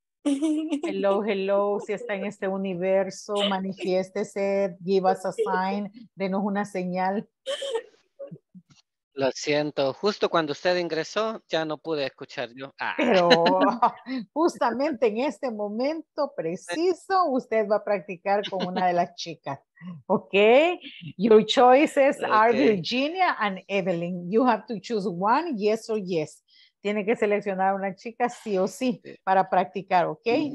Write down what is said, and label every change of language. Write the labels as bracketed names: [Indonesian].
[English] Hello, hello, [Spanish] si está en este universo, manifiéstese, [English] give us a sign, [Spanish] denos una señal. Lo siento, justo cuando usted ingresó, ya no pude escuchar yo. Ah. Pero justamente en este momento preciso, usted va a practicar con una de las chicas. [English] Ok, your choices are okay. Virginia and Evelyn. You have to choose one, yes or yes. [Spanish] Tiene que seleccionar a una chica sí o sí para practicar, ¿ok?